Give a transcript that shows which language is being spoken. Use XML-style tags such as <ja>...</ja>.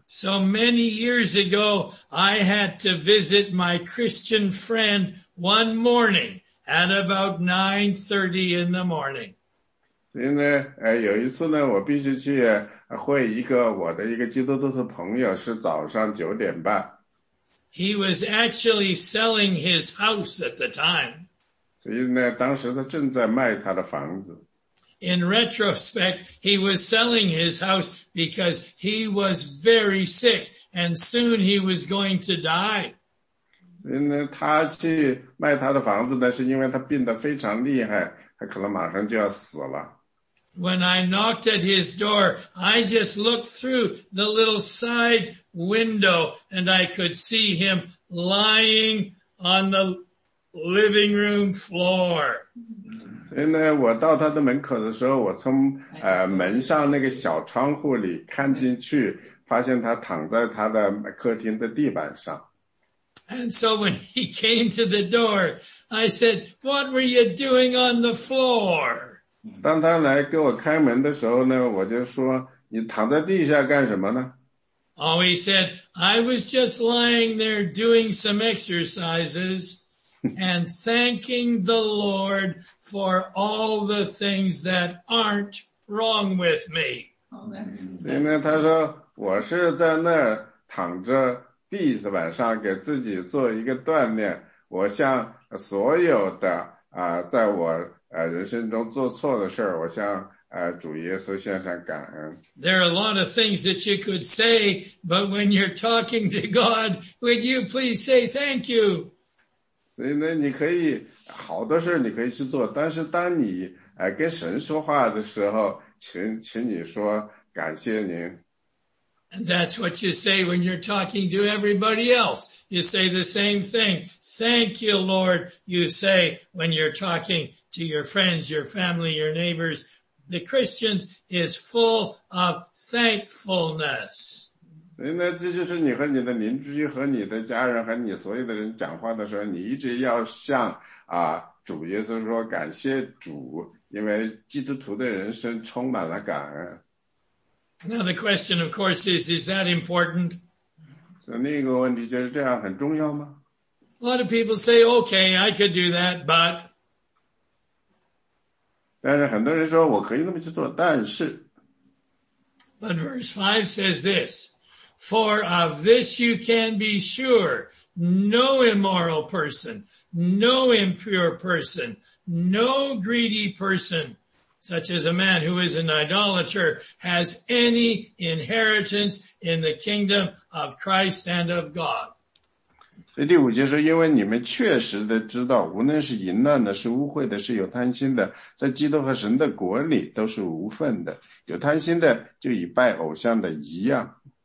<en>So many years ago, I had to visit my Christian friend one morning at about 9:30 in the morning.</en> <zh>所以呢有一次呢我必须去会一个我的一个基督徒的朋友是早上九点半。</zh> <en>He was actually selling his house at the time.</en> <zh>所以呢，当时他正在卖他的房子。</zh> <en>In retrospect, he was selling his house because he was very sick and soon he was going to die.</en> <zh>所以呢，他去卖他的房子呢，是因为他病得非常厉害，他可能马上就要死了。</zh> <en>When I knocked at his door, I just looked through the little side window and I could see him lying on the living room floor.</en> <zh>因为我到他的门口的时候我从门上那个小窗户里看进去发现他躺在他的客厅的地板上。</zh> <en>And so when he came to the door, I said, what were you doing on the floor?</en> <zh>当他来给我开门的时候呢我就说你躺在地下干什么呢</zh> <en>Oh, he said, I was just lying there doing some exercises and thanking the Lord for all the things that aren't wrong with me.</en> <zh>所以呢他说我是在那躺着地板上给自己做一个锻炼我向所有的在我人生中做错的事儿，我向主耶稣献上感恩。</zh> <en>There are a lot of things that you could say, but when you're talking to God, would you please say thank you?</en> <zh>所以呢，你可以好多事你可以去做，但是当你跟神说话的时候，请你说感谢您。</zh> <en>And that's what you say when you're talking to everybody else. You say the same thing. Thank you, Lord, you say when you're talking to your friends, your family, your neighbors. The Christians is full of thankfulness.</en> <zh>所以呢，这就是你和你的邻居和你的家人和你所有的人讲话的时候，你一直要向主耶稣说感谢主，因为基督徒的人生充满了感恩。</zh> <en>Now the question, of course, is that important?</en> <zh>So, 那个问题就是这样，很重要吗？</zh> <en>A lot of people say, okay, I could do that, but.</en> <zh>但是很多人说我可以那么去做，但是。</zh> <en>But verse 5 says this, for of this you can be sure, no immoral person, no impure person, no greedy person,such as a man who is an idolater, has any inheritance in the kingdom of Christ and of God.</en> <zh>所以第五节说，因为你们确实的知道，无论是淫乱的，是污秽的，是有贪心的，在基督和神的国里都是无份的。有贪心的就以拜偶像的一样。</zh>